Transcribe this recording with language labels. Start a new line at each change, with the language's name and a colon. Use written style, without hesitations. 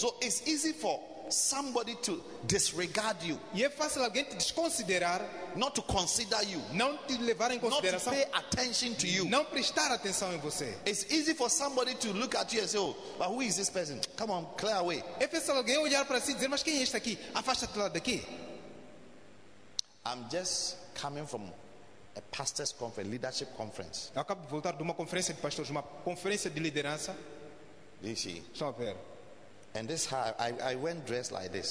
English: So it's easy for somebody to disregard you.
Portuguese: E é fácil alguém te desconsiderar.
English: Not to consider you.
Portuguese: Não te levar em consideração.
English: Not to pay attention to you.
Portuguese: Não prestar atenção em você.
English: It's easy for somebody to look at you and say, oh, but who is this person? Come on, clear away.
Portuguese: É fácil alguém olhar para si e dizer, mas quem é este aqui? Afasta-te lá daqui.
English: I'm just coming from a pastor's conference, leadership conference.
Portuguese: Eu acabo de voltar de uma conferência de pastores, uma conferência de liderança. Deixa eu ver.
English: And this how I went dressed like this.